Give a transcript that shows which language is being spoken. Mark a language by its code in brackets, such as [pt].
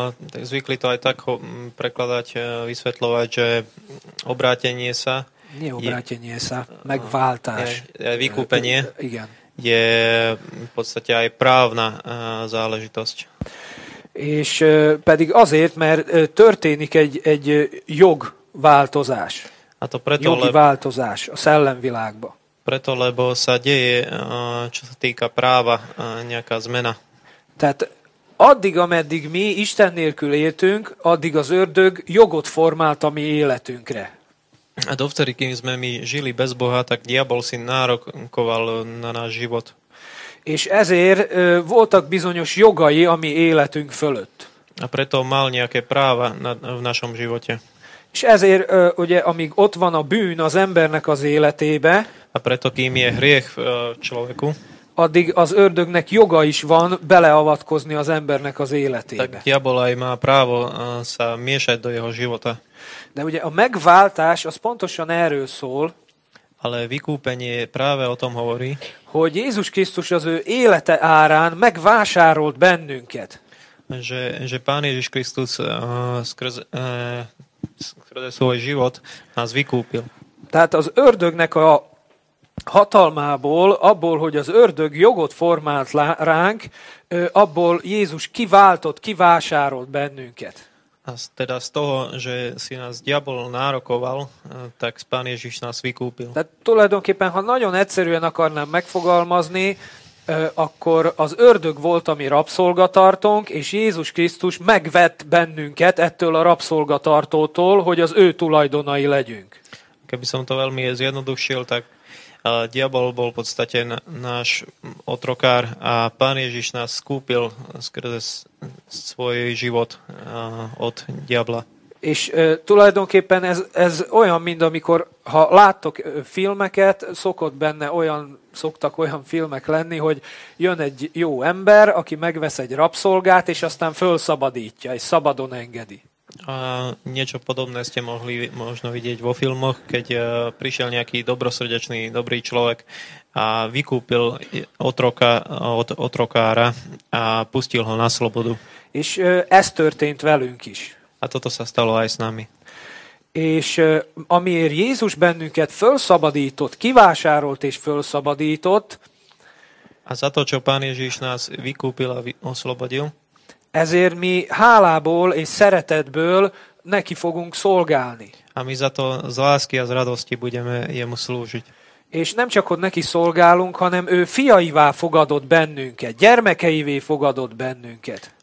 [sk] Tak zvykli to aj tak prekladať, vysvetľovať, že obrátenie sa Nie obrátenie sa, megváltás. Vykúpenie [hu] igen. [sk] Je v podstate aj právna záležitosť. [hu] És pedig azért, mert történik egy jogváltozás. [sk] A to preto, [hu] jogi változás a szellemvilágba. [sk] Preto, lebo sa deje, čo sa týka práva, nejaká zmena. [hu] Tehát addig, ameddig mi Isten nélkül éltünk, addig az ördög jogot formált a mi életünkre. [sk] A dovtedy, kým sme my žili bez Boha, tak diabol si nárokoval na náš život. [hu] És ezért voltak bizonyos jogai a mi életünk fölött. [sk] A preto mal nejaké práva v našom živote. [hu] És ezért, ugye, amíg ott van a bűn az embernek az életébe, [sk] a preto, kým je hriech človeku, [hu] addig az ördögnek joga is van beleavatkozni az embernek az életébe. [sk] Tak diabol aj má právo sa miešať do jeho života. [hu] De ugye a megváltás az pontosan erről szól, [sk] ale vykúpenie práve o tom hovorí, [hu] hogy Jézus Krisztus az ő élete árán megvásárolt bennünket. [sk] Že Pán Ježiš Kristus skrze svoj život nás vykúpil. [hu] Tehát az ördögnek a hatalmából, abból, hogy az ördög jogot formált ránk, abból Jézus kiváltott, kivásárolt bennünket. [sk] Az, teda z toho, že si nás diabol nárokoval, tak Pán Ježiš nás vykúpil. [hu] Tehát tulajdonképpen, ha nagyon egyszerűen akarnám megfogalmazni, akkor az ördög volt a mi rabszolgatartónk, és Jézus Krisztus megvett bennünket ettől a rabszolgatartótól, hogy az ő tulajdonai legyünk. [sk] Keby som to veľmi zjednodušil, tak diabol bol v podstate náš otrokár a Pán Ježiš nás skúpil skrze svoj život od diabla. [hu] És tulajdonképpen ez olyan, mint amikor, ha láttok filmeket, szoktak olyan filmek lenni, hogy jön egy jó ember, aki megvesz egy rabszolgát, és aztán fölszabadítja, és szabadon engedi. [sk] A niečo podobné ste mohli možno vidieť vo filmoch, keď prišiel nejaký dobrosrdečný, dobrý človek a vykúpil otroka od otrokára a pustil ho na slobodu. [hu] És ez történt velünk is. [sk] A toto sa stalo aj s nami. [hu] És amiért Jézus bennünket felszabadított, kivásárolt és felszabadított, [sk] a za to, čo Pán Ježiš nás vykúpil a oslobodil, [hu] ezért mi hálából és szeretetből neki fogunk szolgálni. [sk] A mi za to z lásky a z radosti budeme jemu slúžiť. [hu] És nem csak ott neki szolgálunk, hanem ő fiaivá fogadott bennünket, gyermekeivé fogadott bennünket.